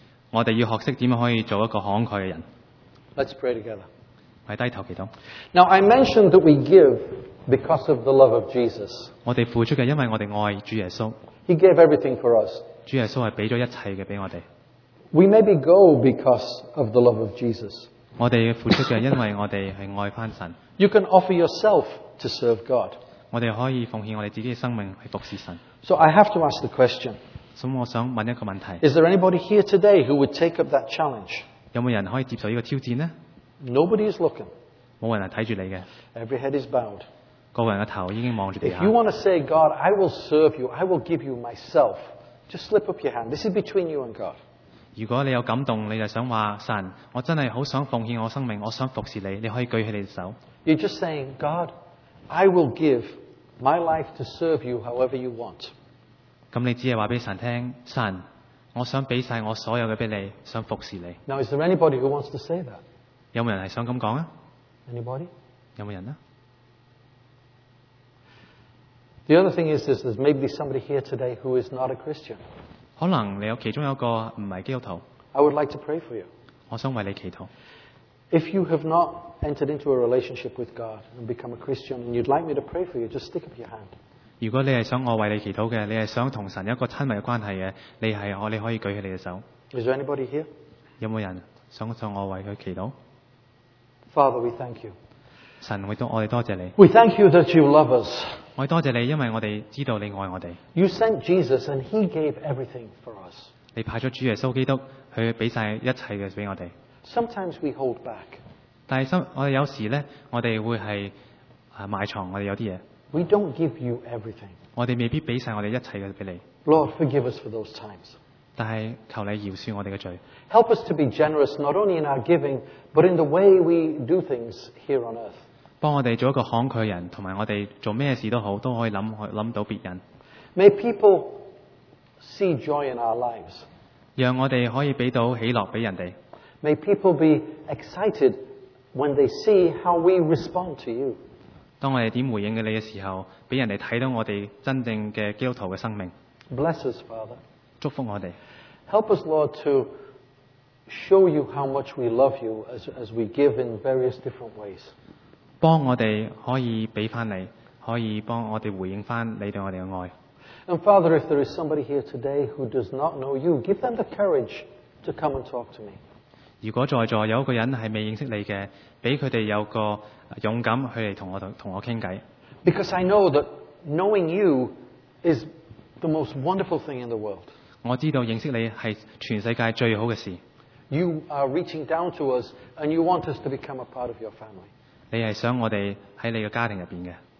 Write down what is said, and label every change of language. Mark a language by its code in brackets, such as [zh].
[yue] 我哋要学识点可以做一个慷慨嘅人。 [en] Let's pray together。 [yue] 系低头祈祷。 [en] Now I mentioned that we give because of the love of Jesus。 [yue] 我哋付出嘅，因为我哋爱主耶稣。 [en] He gave everything for us。 [yue] 主耶稣系俾咗一切嘅俾我哋。 [en] We maybe go because of the love of Jesus. [yue] 我哋付出嘅，因为我哋系爱翻神。 [en] You can offer yourself to serve God. [yue] 我哋可以奉献我哋自己嘅生命去服侍神。 [en] So I have to ask the question. [yue] 咁我想问一个问题。 [en] Is there anybody here today who would take up that challenge? [yue] 有冇人可以接受呢个挑战呢？ [en] Nobody is looking. [yue] 冇人系睇住你嘅。 [en] Every head is bowed. [yue] 个人嘅头已经望住地下。 [en] If you want to say, God, I will serve you, I will give you myself, just slip up your hand. This is between you and God. [yue] 如果你有感动，你就想话神，我真系好想奉献我生命，我想服侍你。你可以举起你的手。 [en] You're just saying, God, I will give my life to serve you however you want. [yue] 咁你只系话俾神听，神，我想俾晒我所有嘅俾你，想服侍你。 [en] Now, is there anybody who wants to say that? [yue] 有冇人系想咁讲啊 [en] ？Anybody? [yue] 有冇人啊 [en] ？The other thing is there's maybe somebody here today who is not a Christian. [yue] 可能你有其中有一个唔系基督徒。 [en] I would like to pray for you. [yue] 我想为你祈祷。 [en] If you have not entered into a relationship with God and become a Christian and you'd like me to pray for you, just stick up your hand. [yue] 如果你系想我为你祈祷嘅，你系想同神有一个亲密嘅关系嘅，你可以举起你嘅手。 [en] Is there anybody here? [yue] 有冇人想向我为佢祈祷 [en] ？Father, we thank you. [yue] 神，我哋多谢你。 [en] We thank you that you love us. [yue] 我多谢你，因为我哋知道你爱我哋。 [en] You sent Jesus and He gave everything for us. [yue] 你派咗主耶稣基督，佢俾晒一切嘅俾我哋。 [en] Sometimes we hold back. [yue] 但係我哋有時咧，我哋會係埋藏我哋有啲嘢。 [en] We don't give you everything. [yue] 我哋未必俾曬我哋一切嘅俾你。 [en] Lord, forgive us for those times. [yue] 但係求你饒恕我哋嘅罪。 [en] Help us to be generous, not only in our giving, but in the way we do things here on earth. [yue] 幫我哋做一個慷慨人，同埋我哋做咩事都好，都可以諗到別人。 [en] May people see joy in our lives. [yue] 讓我哋可以俾到喜樂俾人哋。 [en] May people be excited when they see how we respond to you. [yue] 當我哋點回應你嘅時候，俾人哋睇到我哋真正嘅基督徒嘅生命。 [en] Bless us, Father. [yue] 祝福我哋。 [en] Help us, Lord, to show you how much we love you as we give in various different ways. [yue] 幫我哋可以俾翻你，可以幫我哋回應翻你對我哋嘅愛。 [en] And Father, if there is somebody here today who does not know you, give them the courage to come and talk to me. [yue] 如果在座有一個人係未認識你嘅，俾佢哋有個勇敢去嚟同我傾偈。 [en] Because I know that knowing you is the most wonderful thing in the world. [yue] 我知道認識你係全世界最好嘅事。 [en] You are reaching down to us and you want us to become a part of your family. [yue] 你係想我哋喺你嘅家庭入邊嘅。